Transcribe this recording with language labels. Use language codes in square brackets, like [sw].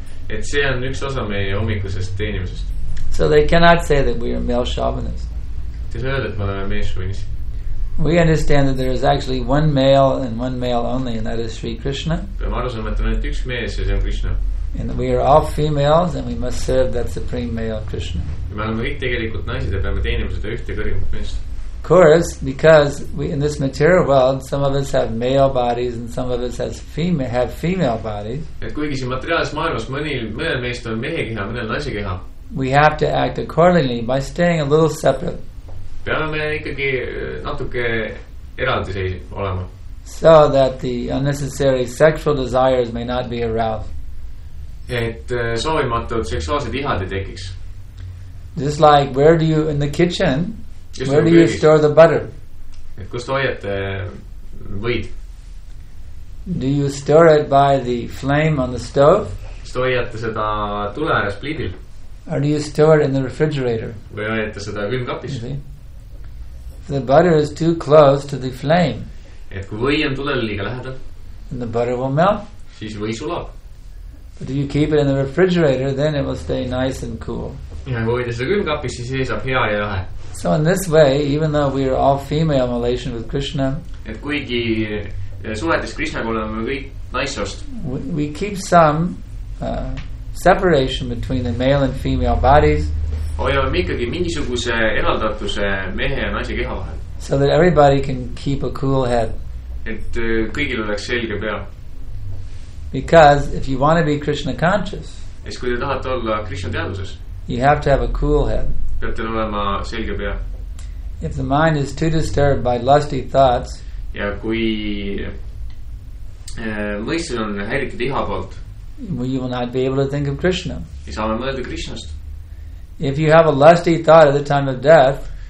[et] Et see on üks osa meie hommikusest teenimisest. [en] So they cannot say that we are male chauvinists. [et] Te saad, et me oleme meeschauvinist. [en] We understand that there is actually one male and one male only, and that is Sri Krishna. [et] Peame aru saama, et on ainult üks mees ja see on Krishna. [en] And we are all females and we must serve that supreme male Krishna. [et] Ja me oleme kõik tegelikult naised ja peame teenima seda ühte kõrgemat meest. [en] Of course, because we in this material world, some of us have male bodies and some of us have female bodies. [et] Et kuigi siin materiaalis maailmas mõnel meist on mehe keha, mõnel naise keha. [en] We have to act accordingly by staying a little separate. [et] Peame me ikkagi natuke eraldi olema. [en] So that the unnecessary sexual desires may not be aroused. [et] et soovimatud seksuaalsed ihade tekiks. [en] Just like, where do you, in the kitchen, just where do you store the butter? [et] Et kus hoiate võid? [en] Do you store it by the flame on the stove? [et] Kus hoiate seda tule ääres pliidil? [en] Or do you store it in the refrigerator? [et] Või hoiate seda külmkapis? [en] The butter is too close to the flame. [et] Et kui või on tulele liiga lähedal, [en] and the butter will melt. [et] Siis või sulab. [en] But if you keep it in the refrigerator, then it will stay nice and cool. [et] Ja kui hoida seda külmkapis, siis see saab hea ja lahe. [en] So in this way, even though we are all female in relation with Krishna, [et] et kuigi suhetes Krishna oleme kõik naissoost, [en] we keep some separation between the male and female bodies. [et] Hoiame ikkagi mingisuguse eraldatuse mehe ja naise keha vahel. [en] So that everybody can keep a cool head. [et] Et kõigil oleks selge pea. [en] Because if you want to be Krishna conscious, [et] es kui te tahate olla Krishna teaduses, [en] you have to have a cool head. [et] Peate olema selge pea. [en] If the mind is too disturbed by lusty thoughts, [et] ja kui mõistus on häiritud iha poolt, [en] you will not be able to think of Krishna. [et] Ei saame mõelda Krishnast. [en] If you have a lusty thought at the time of death,